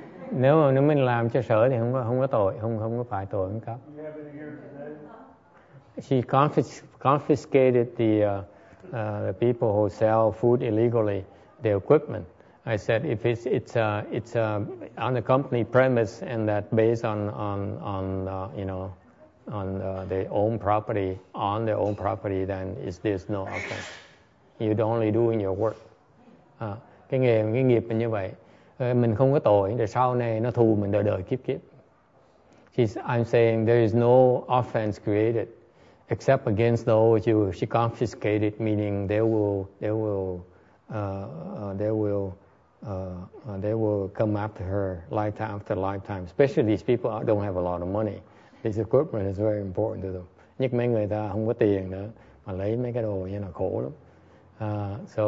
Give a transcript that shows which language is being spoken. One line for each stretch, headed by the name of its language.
Vietnamese: Nếu mà mình làm cho sở thì không có tội, không có phải tội không cấp.
English: She confiscated the people who sell food illegally, the equipment. I said if it's on the company premise and that based on their own property, on their own property, then is this no offense? You're only doing your work.
Vietnamese: Cái nghiệp như vậy. Mình không có tội, để sau này nó thù mình đời đời kiếp kiếp.
English: I'm saying there is no offense created except against those who she confiscated, meaning they will come after her lifetime after lifetime. Especially these people don't have a lot of money. This equipment is very important to them.
Vietnamese: Nhất mấy người ta không có tiền nữa mà lấy mấy cái đồ như là khổ lắm.